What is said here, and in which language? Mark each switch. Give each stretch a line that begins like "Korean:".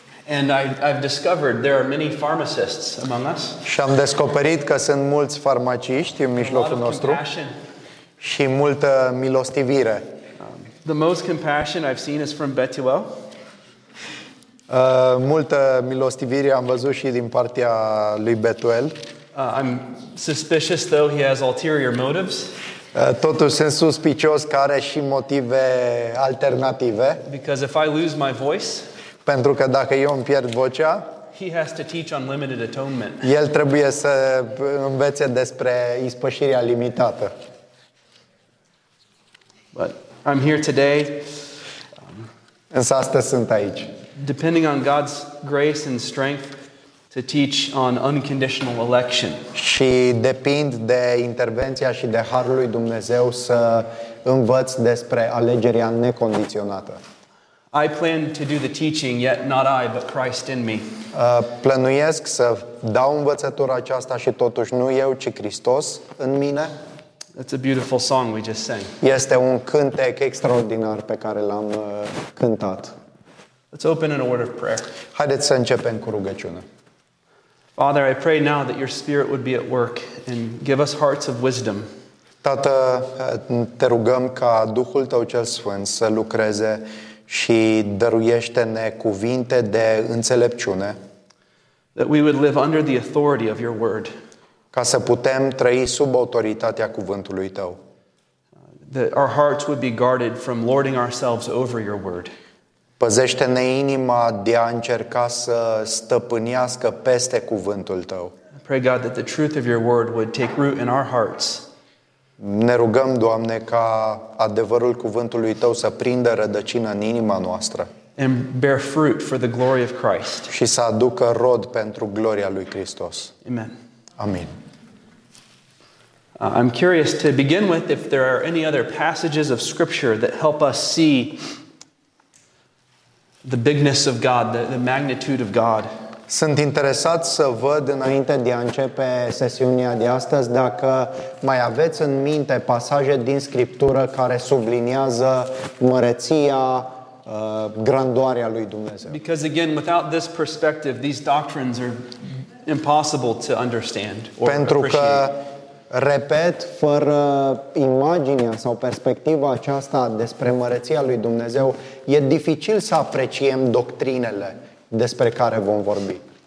English: And I've discovered there are many pharmacists among us.
Romanian: Și am descoperit că sunt mulți farmaciști în mijlocul nostru. Și multă milostivire.
English: The most compassion I've seen is from Betuel.
Romanian: Multă milostivire am văzut și din partea lui Betuel.
English: I'm suspicious though he has ulterior motives.
Romanian: Totuși sunt suspicios că are și motive alternative.
English: Because if I lose my voice,
Romanian: pentru că dacă eu îmi pierd vocea,
English: he has to teach on limited atonement.
Romanian: El trebuie să învețe despre ispășirea limitată.
English: But I'm here today.
Romanian: Însă astăzi sunt aici.
English: Depending on God's grace and strength to teach on unconditional election.
Romanian: Și depind de intervenția și de harul lui Dumnezeu să învăț despre alegerea necondiționată.
English: I plan to do the teaching, yet not I, but Christ in me.
Romanian: Plănuiesc să dau învățătura aceasta și totuși nu eu, ci Hristos în mine.
English: It's a beautiful song we just sang.
Romanian: Este un cântec extraordinar pe care l-am cântat.
English: Let's open in a word of prayer.
Romanian: Haideți să începem cu rugăciune.
English: Father, I pray now that your spirit would be at work and give us hearts of wisdom.
Romanian: Tată, te rugăm ca Duhul tău cel sfânt să lucreze și dăruiește-ne cuvinte de înțelepciune.
English: That we would live under the authority of your word.
Romanian: Ca să putem trăi sub autoritatea cuvântului tău.
English: That our hearts would be guarded from lording ourselves over your word.
Romanian: Păzește-ne inima de a încerca să stăpânească peste cuvântul tău.
English: I pray God that the truth of your word would take root in our hearts.
Romanian: Ne rugăm, Doamne, ca adevărul cuvântului tău să prindă rădăcină în inima noastră.
English: And bear fruit for the glory of Christ.
Romanian: Și să aducă rod pentru gloria lui Hristos.
English: Amen.
Romanian: Amin.
English: I'm curious to begin with if there are any other passages of scripture that help us see the bigness of God, the magnitude of God.
Romanian: Sunt interesat să văd înainte de a începe sesiunea de astăzi dacă mai aveți în minte pasaje din scriptură care subliniază măreția, grandoarea lui Dumnezeu.
English: Because again, without this perspective, these doctrines are impossible to understand or appreciate.
Romanian: Pentru că, repet, fără imaginea sau perspectiva aceasta despre măreția lui Dumnezeu, e dificil să apreciem doctrinele despre care vom vorbi.